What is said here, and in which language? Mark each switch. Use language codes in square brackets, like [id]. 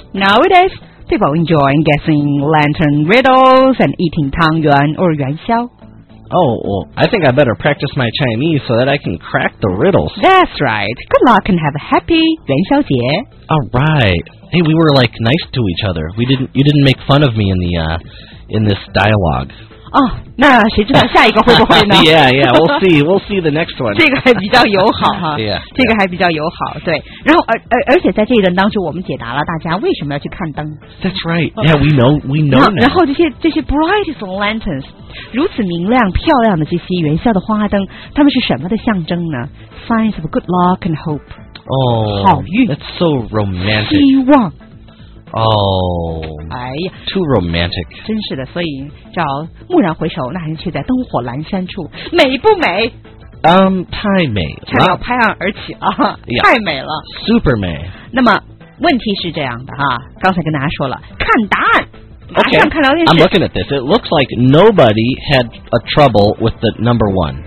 [en] Nowadays, people enjoy guessing lantern riddles and eating tang yuan or yuan xiao. Oh, well, I think I better practice my Chinese so that I can crack the riddles. That's right. Good luck and have a happy yuan xiao jie. All right. Hey, we were, like, nice to each other. You didn't make fun of me in this dialogue. Oh, [zh] 那谁知道下一个会不会呢 [en] ？Yeah, we'll see. We'll see the next one. [zh] 这个还比较友好哈。 [en] Yeah, [zh] 这个还比较友好。对，然后而且在这一段当中，我们解答了大家为什么要去看灯。 [en] That's right. Yeah, we know. We know. [zh] 然后这些 brightest lanterns， 如此明亮漂亮的这些元宵的花灯，它们是什么的象征呢 ？ [en] Signs of good luck and hope. Oh, [zh] 好运。 [en] That's so romantic. [zh] 希望。 [en] Oh, [zh] 哎呀 [en] ，too romantic， [zh] 真是的。所以叫蓦然回首，那还是却在灯火阑珊处，美不美？太美了，差点要拍案而起啊！ Yeah, 太美了，super 美。那么问题是这样的哈、啊，刚才跟大家说了，看答案。 [en] Okay, I'm looking at this. It looks like nobody had a trouble with the number one.